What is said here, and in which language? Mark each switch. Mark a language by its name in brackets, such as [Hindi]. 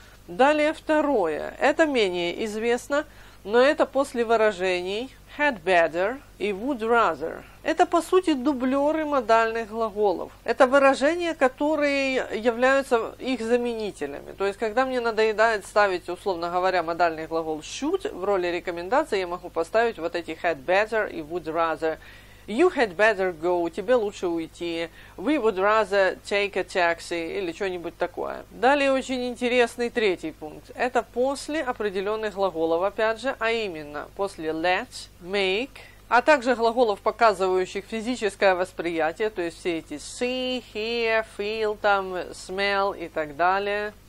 [Russian] Далее второе, это менее известно. Но это после выражений had better и would rather. Это, по сути, дублеры модальных глаголов. Это выражения, которые являются их заменителями. То есть, когда мне надоедает ставить, условно говоря, модальный глагол should в роли рекомендации, я могу поставить вот эти had better и would rather. [English] You had better go, [Russian] тебе лучше уйти. [English] We would rather take a taxi [Russian] или что-нибудь такое. Далее очень интересный третий пункт. Это после определенных глаголов, опять же, а именно после let, make, а также глаголов, показывающих физическое восприятие, то есть все эти see, hear, feel, там, smell и так далее.